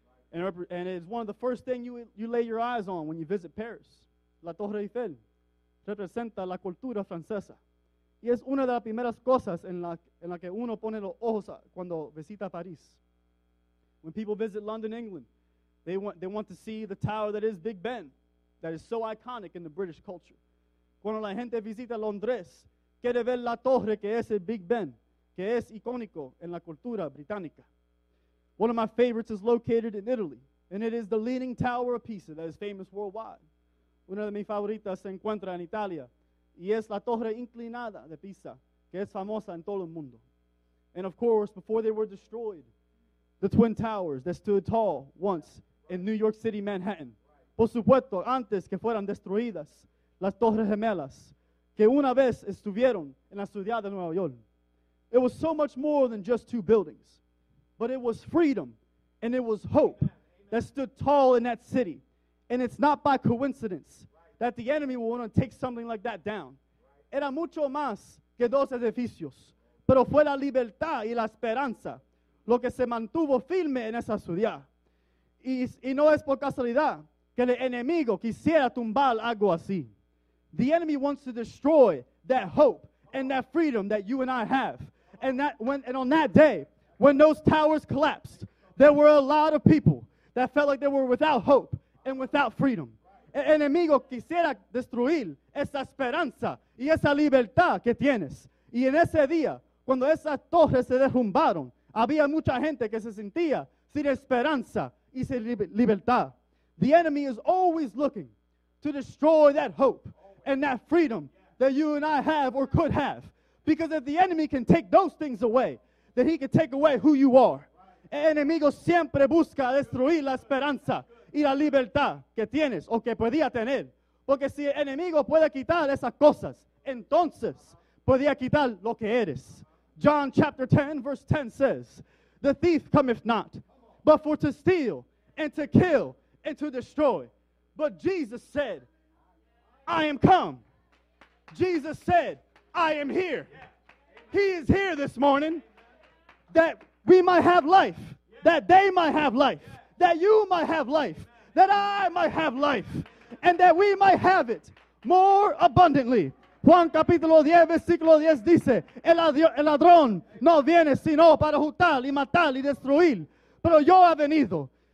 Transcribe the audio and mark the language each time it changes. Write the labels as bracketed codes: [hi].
[en] And it's one of the first things you lay your eyes on when you visit Paris. [es] La Torre Eiffel representa la cultura francesa. Y es una de las primeras cosas en la que uno pone los ojos cuando visita París. [en] When people visit London, England, they want to see the tower that is Big Ben, that is so iconic in the British culture. [es] Cuando la gente visita Londres, quiere ver la torre que es el Big Ben, que es icónico en la cultura británica. [en] One of my favorites is located in Italy, and it is the Leaning Tower of Pisa that is famous worldwide. [es] Una de mis favoritas se encuentra en Italia, y es la Torre Inclinada de Pisa, que es famosa en todo el mundo. [en] And of course, before they were destroyed, the Twin Towers that stood tall once in New York City, Manhattan. [es] Por supuesto, antes que fueran destruidas, las Torres Gemelas, que una vez estuvieron en la ciudad de Nueva York. [en] It was so much more than just two buildings. But it was freedom and it was hope that stood tall in that city. And it's not by coincidence that the enemy will want to take something like that down. [es] Era mucho más que dos edificios, pero fue la libertad y la esperanza lo que se mantuvo firme en esa ciudad. Y no es por casualidad que el enemigo quisiera tumbar algo así. [en] The enemy wants to destroy that hope and that freedom that you and I have. And on that day, when those towers collapsed, there were a lot of people that felt like they were without hope and without freedom. [es] El enemigo quisiera destruir esa esperanza y esa libertad que tienes. Y en ese día, cuando esas torres se derrumbaron, había mucha gente que se sentía sin esperanza y sin libertad. [en] The enemy is always looking to destroy that hope and that freedom that you and I have or could have. Because if the enemy can take those things away, that he can take away who you are. [es] El enemigo siempre busca destruir la esperanza y la libertad que tienes o que podía tener. Porque si el enemigo puede quitar esas cosas, entonces podía quitar lo que eres. [en] John chapter 10, verse 10 says, "The thief cometh not, but for to steal, and to kill, and to destroy. But Jesus said, I am come." Jesus said, "I am here." He is here this morning. That we might have life, that they might have life, that you might have life, that I might have life, and that we might have it more abundantly. [es] Juan capítulo 10, versículo 10 dice, el ladrón no viene sino para hurtar y matar y destruir, pero yo he venido.